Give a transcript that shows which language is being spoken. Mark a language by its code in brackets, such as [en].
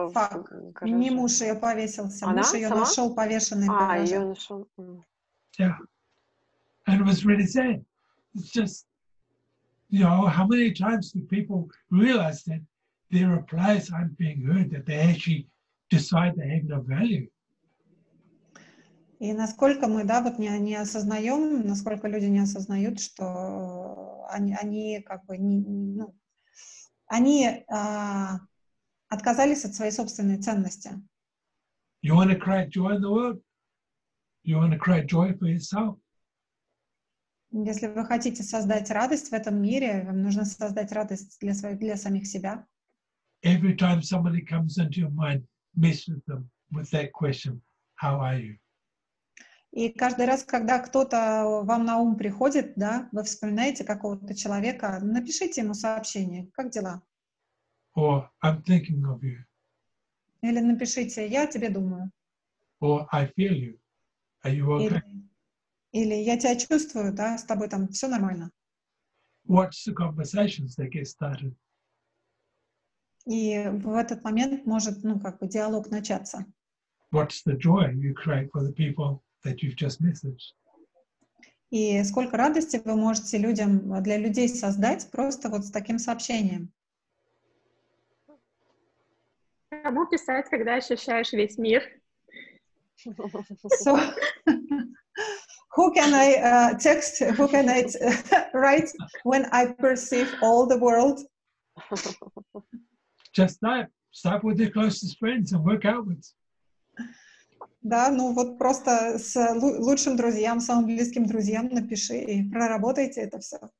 [ru] Не муж ее повесился, муж ее нашел повешенный. А, ее нашел. [en] Yeah. And it was really sad. It's just, you know, how many times do people realize that their replies aren't being heard, that they actually decide they have no value? [ru] И насколько мы, да, вот не осознаем, насколько люди не осознают, что они как бы не, ну, они отказались от своей собственной ценности. [en] You want to create joy in the world? You want to create joy for yourself? [ru] Если вы хотите создать радость в этом мире, вам нужно создать радость для самих себя. [en] Every time somebody comes into your mind, mess with them with that question, "How are you?" [ru] И каждый раз, когда кто-то вам на ум приходит, да, вы вспоминаете какого-то человека, напишите ему сообщение, как дела? [en] Or, "I'm thinking of you." [ru] Или напишите, я о тебе думаю. [en] Or, "I feel you. Are you okay?" [ru] Или я тебя чувствую, да, с тобой там все нормально. [en] Watch the conversations that get started. [ru] И в этот момент может, ну, как бы диалог начаться. [en] Watch the joy you create for the people that you've just messaged. [ru] И сколько радости вы можете людям, для людей создать просто вот с таким сообщением? Кому писать, когда ощущаешь весь мир? [en] So, who can I text, who can I write when I perceive all the world? Just that. Start with your closest friends and work outwards. [ru] Да, ну вот просто с лучшим друзьям, самым близким друзьям напиши и проработайте это все.